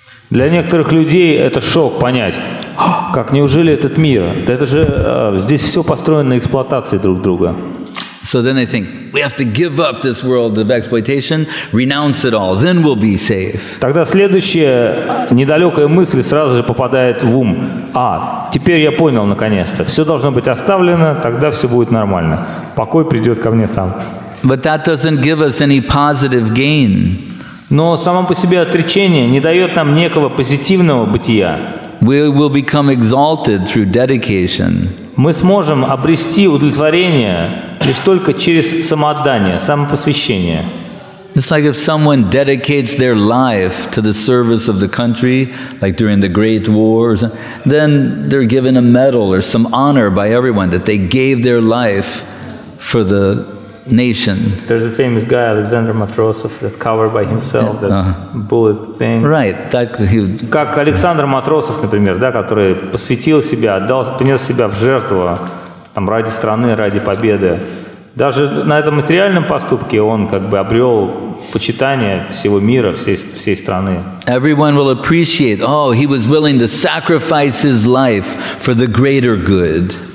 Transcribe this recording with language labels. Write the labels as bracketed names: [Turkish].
[Russian] Для некоторых людей это шок понять. Как, неужели этот мир? Да это же, здесь все построено на эксплуатации друг друга. [English] So then they think, we have to give up this world of exploitation, renounce it all, then we'll be safe. [Russian] Тогда следующая недалекая мысль сразу же попадает в ум. А, теперь я понял наконец-то. Все должно быть оставлено, тогда все будет нормально. Покой придет ко мне сам. [English] But that doesn't give us any positive gain. [Russian] Но само по себе отречение не дает нам некого позитивного бытия. [English] We will become exalted through dedication. [Russian] Мы сможем обрести удовлетворение лишь только через самоотдание, самопосвящение. [English] It's like if someone dedicates their life to the service of the country, like during the Great War, then they're given a medal or some honor by everyone that they gave their life for the nation. There's a famous guy, Alexander Matrosov, that covered by himself, yeah, bullet thing. Right. [Russian] Как Александр Матросов, например, да, который посвятил себя, отдал, принес себя в жертву там, ради страны, ради победы. Даже на этом материальном поступке он как бы обрел почитание всего мира, всей страны. [English] Everyone will appreciate, oh, he was willing to sacrifice his life for the greater good.